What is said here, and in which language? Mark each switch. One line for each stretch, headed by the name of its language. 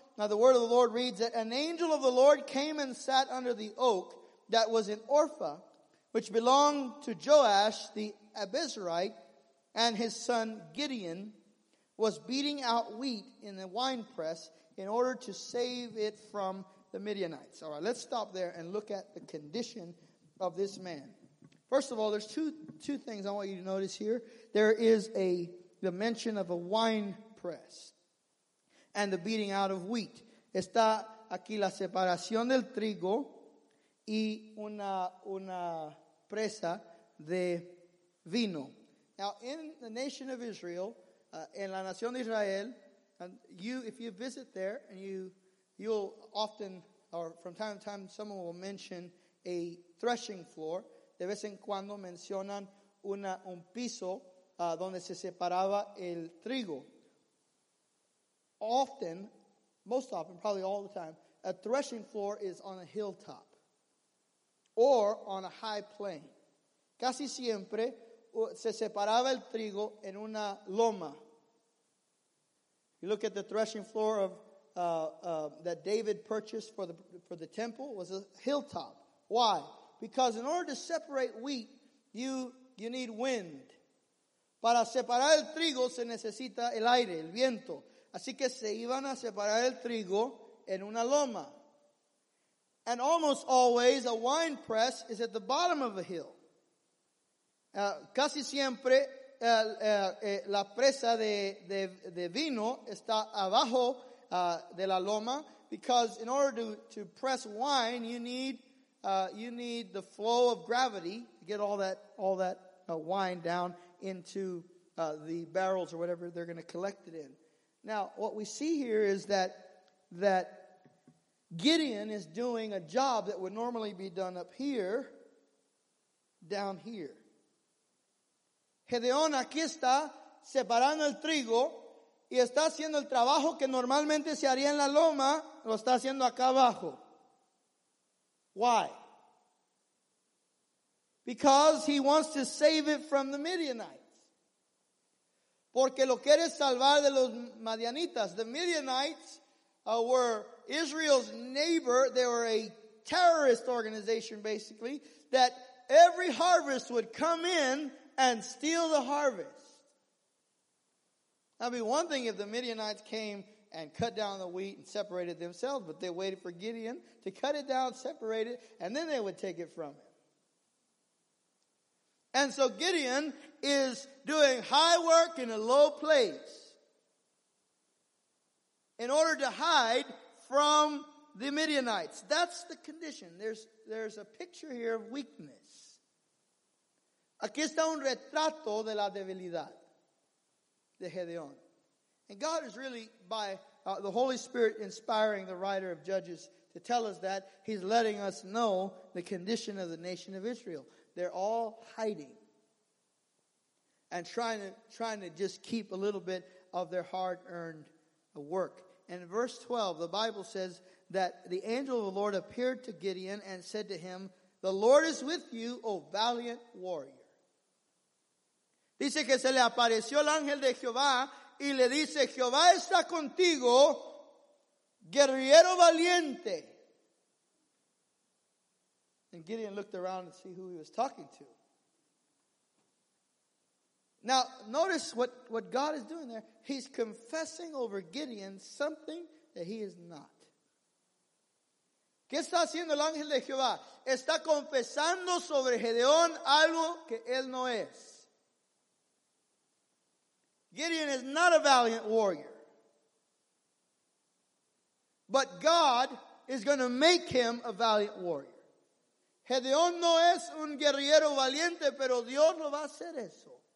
English: Now the word of the Lord reads that an angel of the Lord came and sat under the oak that was in Ophrah, which belonged to Joash the Abiezrite, and his son Gideon was beating out wheat in the wine press in order to save it from the Midianites. All right, let's stop there and look at the condition of this man. First of all, there's two things I want you to notice here. There is the mention of a wine press and the beating out of wheat.
Spanish: Está aquí la separación del trigo y una presa de vino.
English: Now, in the nation of Israel,
Spanish: en la nación de Israel,
English: and if you visit there, and you'll often, or from time to time, someone will mention a threshing floor.
Spanish: De vez en cuando mencionan un piso donde se separaba el trigo.
English: Often, most often, probably all the time, a threshing floor is on a hilltop or on a high plain.
Spanish: Casi siempre se separaba el trigo en una loma.
English: You look at the threshing floor of that David purchased for the temple. It was a hilltop. Why? Because in order to separate wheat, you need wind.
Spanish: Para separar el trigo se necesita el aire, el viento. Así que se iban a separar el trigo en una loma.
English: And almost always a wine press is at the bottom of a hill.
Spanish: Casi siempre la presa de vino está abajo de la loma,
English: because in order to press wine, you need the flow of gravity to get all that wine down into the barrels or whatever they're going to collect it in. Now, what we see here is that Gideon is doing a job that would normally be done up here, down here.
Spanish: Gedeón aquí está separando el trigo y está haciendo el trabajo que normalmente se haría en la loma, lo está haciendo acá abajo.
English: Why? Because he wants to save it from the Midianites.
Spanish: Porque lo quiere salvar de los Madianitas.
English: The Midianites were Israel's neighbor. They were a terrorist organization, basically, that every harvest would come in and steal the harvest. That would be one thing if the Midianites came and cut down the wheat and separated themselves, but they waited for Gideon to cut it down, separate it, and then they would take it from him. And so Gideon is doing high work in a low place in order to hide from the Midianites. That's the condition. There's a picture here of weakness.
Spanish: Aquí está un retrato de la debilidad de Gedeón.
English: And God is really, by the Holy Spirit inspiring the writer of Judges to tell us that, he's letting us know the condition of the nation of Israel. They're all hiding and trying to just keep a little bit of their hard-earned work. And in verse 12, the Bible says that the angel of the Lord appeared to Gideon and said to him, "The Lord is with you, O valiant warrior."
Spanish: Dice que se le apareció el ángel de Jehová y le dice, "Jehová está contigo, guerrero valiente."
English: And Gideon looked around to see who he was talking to. Now, notice what God is doing there. He's confessing over Gideon something that he is not.
Spanish: ¿Qué está haciendo el ángel de Jehová? Está confesando sobre Gedeón algo que él no es.
English: Gideon is not a valiant warrior. But God is going to make him a valiant warrior.
Spanish: Gedeón no es un guerrero valiente, pero Dios lo va a hacer eso.